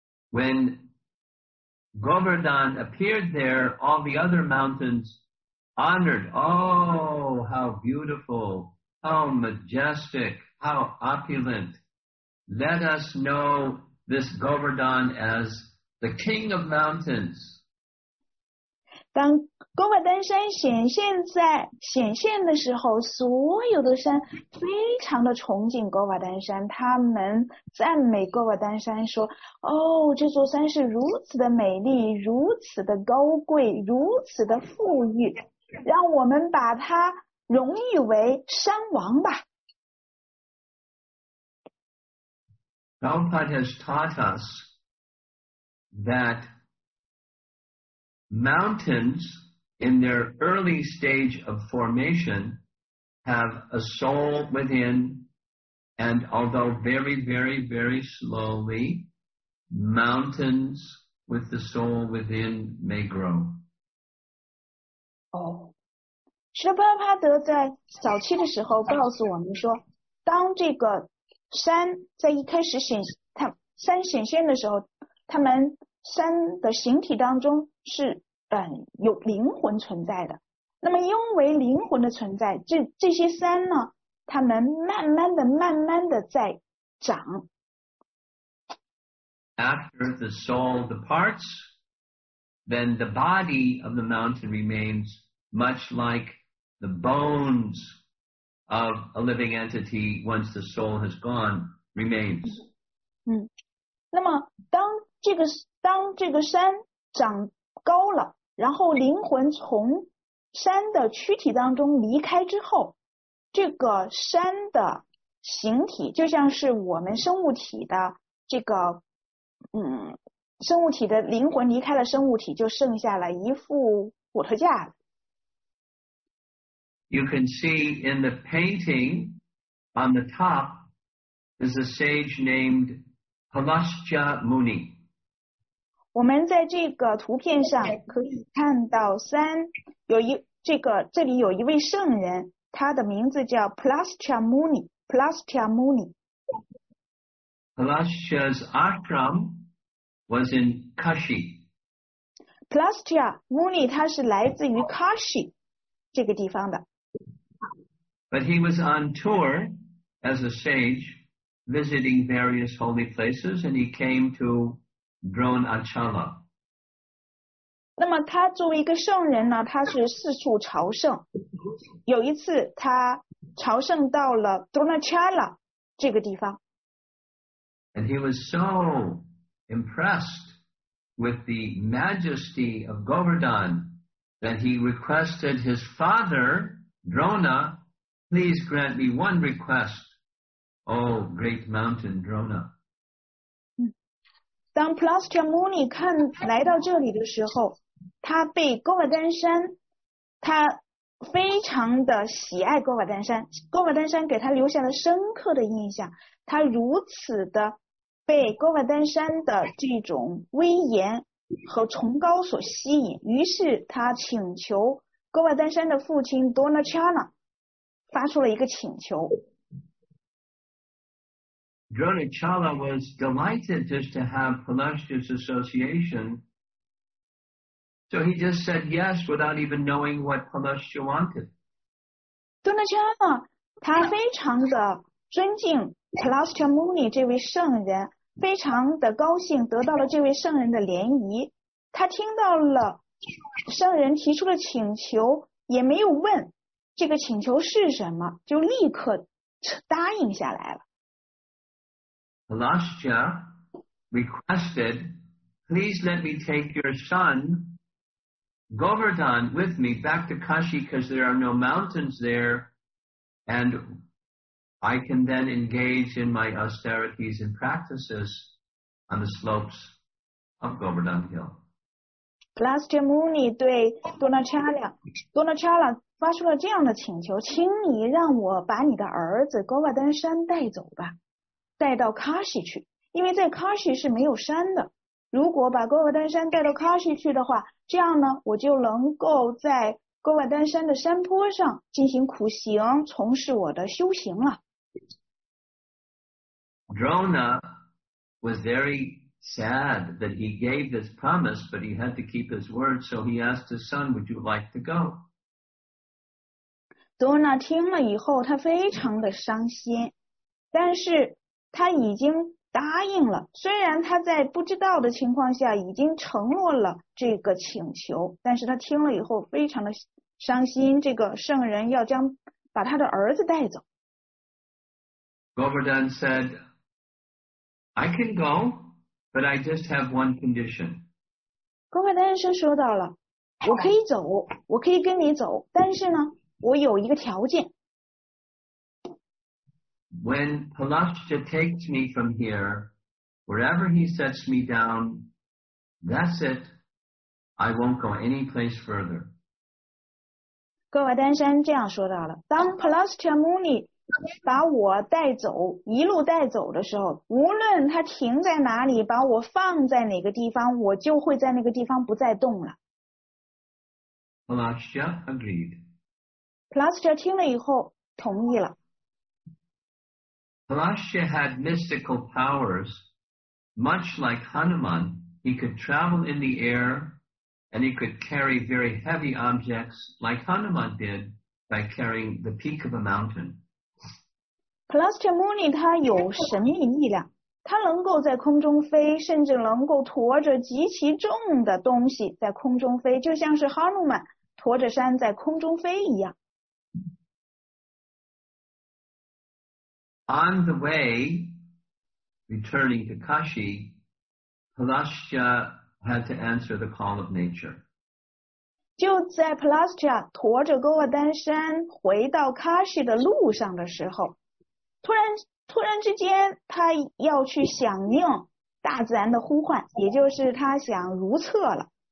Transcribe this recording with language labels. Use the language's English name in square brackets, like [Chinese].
[English] When Govardhan appeared there, all the other mountains honored. Oh, how beautiful, how majestic, how opulent. Let us know this Govardhan as the king of mountains. [Chinese] 当 Govardhan 山显现的时候，所有的山非常的崇敬 Govardhan 山，他们赞美 Govardhan 山说，哦，这座山是如此的美丽，如此的高贵，如此的富裕，让我们把它荣誉为山王吧。 [English] Prabhupada has taught us that mountains in their early stage of formation have a soul within, and although very, very, very slowly, mountains with the soul within may grow. Oh. [Chinese] 是 Prabhupada 在早期的时候告诉我们说，当这个山在一开始显现的时候，他们山的形体当中是有灵魂存在的。那么因为灵魂的存在，这些山呢，他们慢慢的在长。 [English] After the soul departs, then the body of the mountain remains much like the bones. Of a living entity once the soul has gone remains. [Chinese] 那么当这个山长高了，然后灵魂从山的躯体当中离开之后，这个山的形体就像是我们生物体的这个生物体的灵魂离开了生物体，就剩下了一副骨头架子。 [English] You can see in the painting on the top is a sage named Palashya Muni. [Chinese] 我们在这个图片上可以看到山有一这个这里有一位圣人，他的名字叫 Palashya Muni. [English] Palashya Muni. Palashya's ashram was in Kashi. [Chinese] Palashya Muni 他是来自于 Kashi 这个地方的。 [English] But he was on tour as a sage, visiting various holy places, and he came to Dronachala. [Chinese] 那么他作为一个圣人呢，他是四处朝圣。有一次他朝圣到了 Dronachala 这个地方。 [English] And he was so impressed with the majesty of Govardhan that he requested his father, Drona,Please grant me one request, O great mountain Drona. [Chinese] 当 Palashya Muni 来到这里的时候，他被 Govardhan 山，他非常的喜爱 Govardhan 山。 Govardhan 山给他留下了深刻的印象，他如此的被 Govardhan 山的这种威严和崇高所吸引，于是他请求 Govardhan 山的父亲 Dronachala。发出了一个请求。 [English] Dronachala was delighted just to have Palashya's association. So he just said yes without even knowing what Palashya wanted. [Chinese] Dronachala, 他非常的尊敬 Cluster Muni 这位圣人非常的高兴得到了这位圣人的联谊，他听到了圣人提出的请求，也没有问这个请求是什么，就立刻答应下来了。 [English] Kalashtra requested, please let me take your son Govardhan with me back to Kashi because there are no mountains there and I can then engage in my austerities and practices on the slopes of Govardhan Hill. [Chinese] Kalashtra Muni 对 Dronacharya发出了这样的请求，请你让我把你的儿子 Govardhan 山带走吧，带到 Kashi 去，因为在 Kashi 是没有山的，如果把 Govardhan 山带到 Kashi 去的话，这样呢我就能够在 Govardhan 山的山坡上进行苦行，从事我的修行了。 [English] Drona was very sad that he gave this promise but he had to keep his word, so he asked his son, would you like to go? [Chinese] Drona 听了以后他非常的伤心，但是他已经答应了，虽然他在不知道的情况下已经承诺了这个请求，但是他听了以后非常的伤心，这个圣人要将把他的儿子带走。 [English] Govardhan said, I can go, but I just have one condition. [Chinese] Govardhan 说到了，我可以走，我可以跟你走，但是呢我有一个条件。 [English] When Palashtra takes me from here, wherever he sets me down, that's it. I won't go any place further. [Chinese] Govardhan 这样说到了，当 Palashtra Muni 把我带走，一路带走的时候，无论他停在哪里，把我放在哪个地方，我就会在那个地方不再动了。 [English] Palashtra agreed. [Chinese] Palashtra 听了以后同意了。 [English] Palashtra had mystical powers, much like Hanuman. He could travel in the air, and he could carry very heavy objects, like Hanuman did, by carrying the peak of a mountain. [Chinese] Palashtra Muni 他有神秘力量，他能够在空中飞，甚至能够驮着极其重的东西在空中飞，就像是 Hanuman 驮着山在空中飞一样。 [English] On the way, returning to Kashi, Palashtra had to answer the call of nature. [Chinese] 就在 Palashtra 驮着 Govardhan 山回到 Kashi 的路上的时候，突然之间他要去响应大自然的呼唤，也就是他想如厕了。